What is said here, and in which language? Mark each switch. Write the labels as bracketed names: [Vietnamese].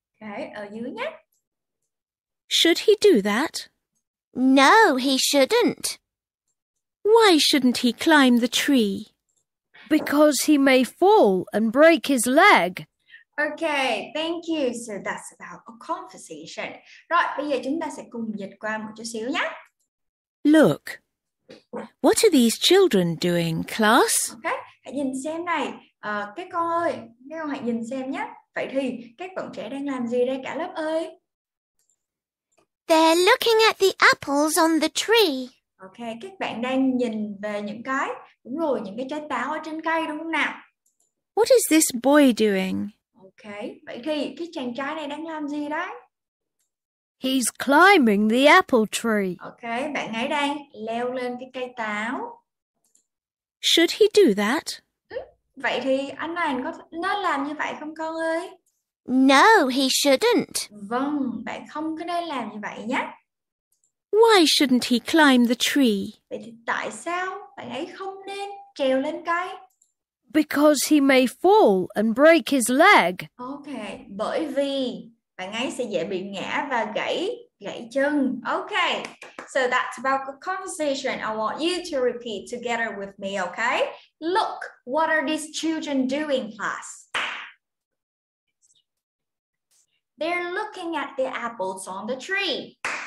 [Vietnamese] Okay, ở dưới nhé. [English] Should he do that? No, he shouldn't. Why shouldn't he climb the tree? Because he may fall and break his leg. Okay, thank you. So that's about a conversation. [Vietnamese] Right, bây giờ chúng ta sẽ cùng dịch qua một chút xíu nhé. [English] Look, what are these children doing, class? [Vietnamese] Okay, hãy nhìn xem này. Các con ơi, các con hãy nhìn xem nhé. Vậy thì các bạn trẻ đang làm gì đây cả lớp ơi? [English] They're looking at the apples on the tree. [Vietnamese] Okay, các bạn đang nhìn về những cái, đúng rồi, những cái trái táo ở trên cây đúng không nào? [English] What is this boy doing? [Vietnamese] Okay, vậy thì cái chàng trai này đang làm gì đấy? [English] He's climbing the apple tree. [Vietnamese] Okay, bạn ấy đang leo lên cái cây táo. [English] Should he do that? [Vietnamese] Vậy thì anh này có nên làm như vậy không con ơi? [English] No, he shouldn't. [Vietnamese] Vâng, bạn không có nên làm như vậy nhé. [English] Why shouldn't he climb the tree? [Vietnamese] Vậy thì tại sao bạn ấy không nên trèo lên cây? [English] Because he may fall and break his leg. [Vietnamese] Okay, bởi vì bạn ấy sẽ dễ bị ngã và gãy chân. [English] Okay, so that's about the conversation. I want you to repeat together with me, okay? Look, what are these children doing, class? They're looking at the apples on the tree.